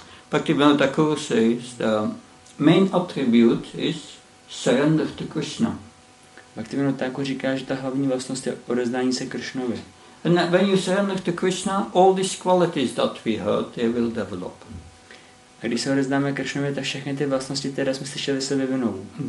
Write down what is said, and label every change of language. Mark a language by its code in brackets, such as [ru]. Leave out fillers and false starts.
[en] Bhaktivinoda Thakur says the main attribute is surrender to Krishna. [cs] Bhaktivinoda Thakur říká, že ta hlavní vlastnost je odevzdání se Krishnovi. [en] And when you surrender to Krishna, all these qualities that we heard, they will develop. [cs] A když se odevzdáme Krishnovi, tak všechny ty vlastnosti, které jsme slyšeli, se vyvinou.